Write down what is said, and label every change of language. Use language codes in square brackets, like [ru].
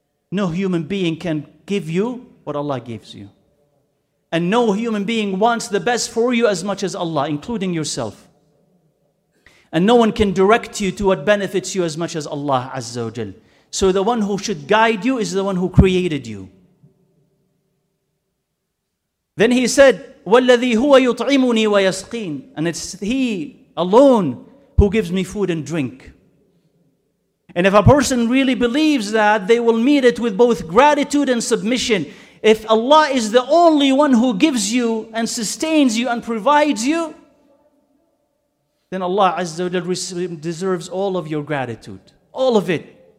[en] No human being can give you what Allah gives you. And no human being wants the best for you as much as Allah, including yourself. And no one can direct you to what benefits you as much as Allah Azza wa Jal. So the one who should guide you is the one who created you. Then he said, [ar] وَالَّذِي هُوَ يُطْعِمُنِي وَيَسْقِينَ. [en] And it's he alone who gives me food and drink. And if a person really believes that, they will meet it with both gratitude and submission. If Allah is the only one who gives you and sustains you and provides you, then Allah Azza wa Jalla deserves all of your gratitude. All of it.